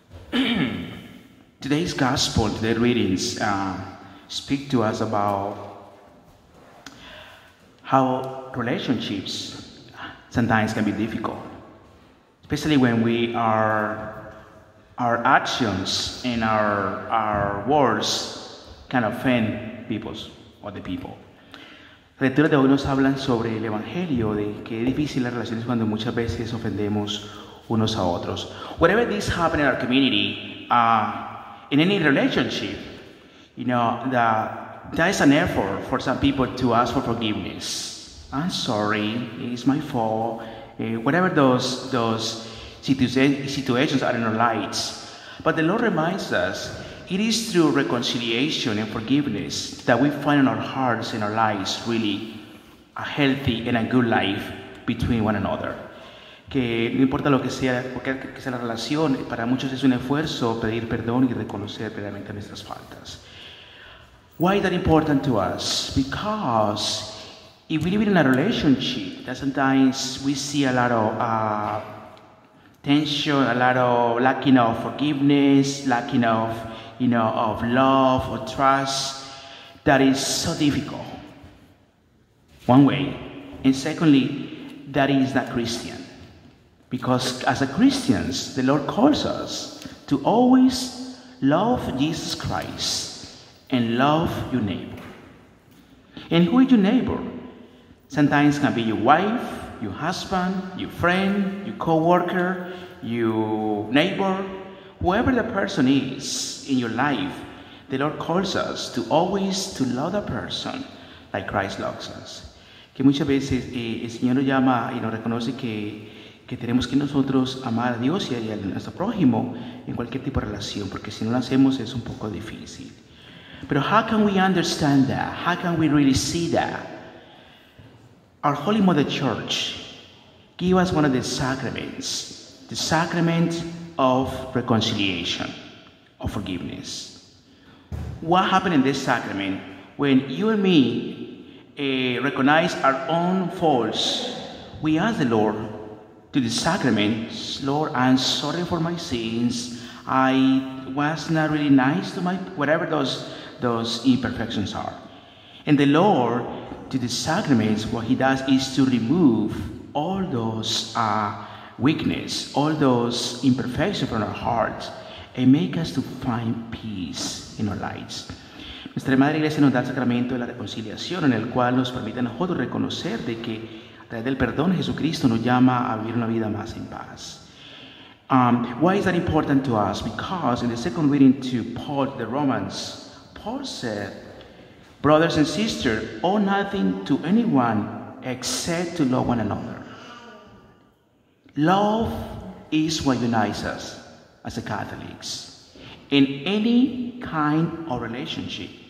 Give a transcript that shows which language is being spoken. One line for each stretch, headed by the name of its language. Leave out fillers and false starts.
English: Today's gospel, today's readings speak to us about how relationships sometimes can be difficult, especially when we our actions and our words can offend people or the people.
Spanish: La lectura de hoy nos hablan sobre el evangelio de que es difícil las relaciones cuando muchas veces ofendemos unos a otros.
English: Whatever this happened in our community, in any relationship, you know, that is an effort for some people to ask for forgiveness. I'm sorry, it's my fault. Whatever those situations are in our lives. But the Lord reminds us, it is through reconciliation and forgiveness that we find in our hearts, in our lives, really a healthy and a good life between one another.
Spanish: Que no importa lo que sea, porque sea la relación, para muchos es un esfuerzo pedir perdón y reconocer realmente nuestras faltas.
English: Why is that important to us? Because if we live in a relationship, that sometimes we see a lot of tension, a lot of lacking of forgiveness, lacking of, you know, of love or trust, that is so difficult. One way. And secondly, that is not Christian. Because as a Christians, the Lord calls us to always love Jesus Christ and love your neighbor. And who is your neighbor? Sometimes it can be your wife, your husband, your friend, your co-worker, your neighbor. Whoever the person is in your life, the Lord calls us to always to love the person like Christ loves us.
Spanish: Que muchas veces el Señor nos llama y nos reconoce que tenemos que nosotros amar a Dios y a nuestro prójimo en cualquier tipo de relación, porque si no lo hacemos es un poco difícil.
English: Pero how can we understand that? How can we really see that? Our Holy Mother Church gave us one of the sacraments, the sacrament of reconciliation, of forgiveness. What happened in this sacrament when you and me recognize our own faults? We ask the Lord to the sacrament, Lord, I'm sorry for my sins. I was not really nice to my, whatever those imperfections are. And the Lord, to the sacraments, what he does is to remove all those weakness, all those imperfections from our hearts, and make us to find peace in our lives.
Spanish: Nuestra Madre Iglesia nos da el sacramento de la reconciliación, en el cual nos permite a nosotros reconocer de que a través del perdón, Jesucristo nos llama a vivir una vida más en paz.
English: Why is that important to us? Because in the second reading to Paul, the Romans, Paul said, brothers and sisters, owe nothing to anyone except to love one another. Love is what unites us as Catholics in any kind of relationship.